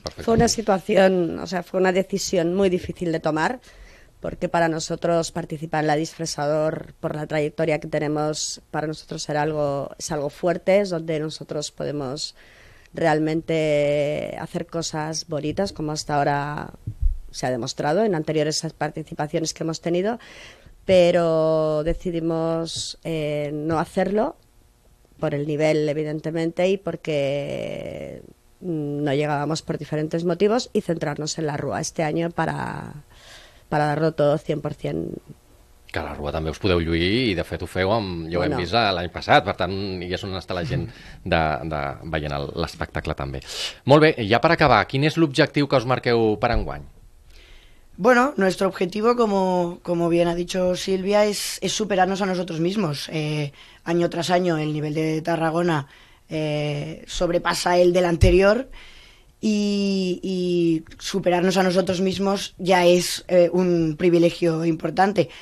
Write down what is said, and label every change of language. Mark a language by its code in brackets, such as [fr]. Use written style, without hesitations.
[es] Fue una situación, o sea, fue una decisión muy difícil de tomar, porque para nosotros participar en la disfresador, por la trayectoria que tenemos, para nosotros es algo fuerte, es donde nosotros podemos realmente hacer cosas bonitas, como hasta ahora se ha demostrado en anteriores participaciones que hemos tenido, pero decidimos no hacerlo, por el nivel, evidentemente, y porque no llegábamos por diferentes motivos, y centrarnos en la rúa este año para dar-lo todo 100%. [ca] Que a la rua també us podeu lluir, i de fet ho feu, jo ho hem vist l'any passat, per tant, ja és on està la gent de veient l'espectacle també. Molt bé, ja per acabar, quin és l'objectiu que us marqueu per enguany? [es] Bueno, nuestro objetivo, como bien ha dicho Silvia, es superarnos a nosotros mismos. Año tras año el nivel de Tarragona sobrepasa el del anterior, y superarnos a nosotros mismos ya es un privilegio importante.